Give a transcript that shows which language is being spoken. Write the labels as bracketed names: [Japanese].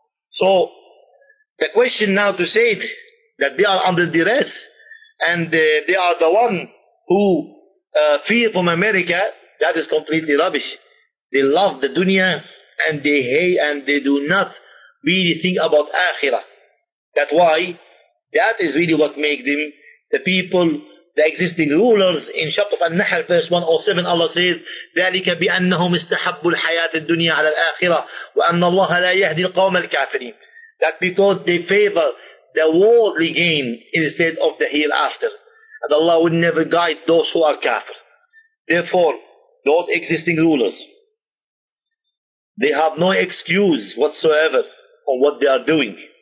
[English] So the question now to say it, that they are under duress and they are the one who fear from America, that is completely rubbish. They love the dunya and they hate and they do not really think about akhirah. That's why that is really what make them the people, the existing rulers. In Shaykh of Al-Nahl, verse 107, Allah says, [Arabic] ذَلِكَ بِأَنَّهُمْ إِسْتَحَبُّ الْحَيَاةِ الدُّنْيَا عَلَى الْآخِرَةِ وَأَنَّ اللَّهَ لَا يَهْدِي الْقَوْمَ الْكَافِرِينَ. [English] That because they favor the worldly gain instead of the hereafter. And Allah will never guide those who are kafir. Therefore, those existing rulers, they have no excuse whatsoever on what they are doing.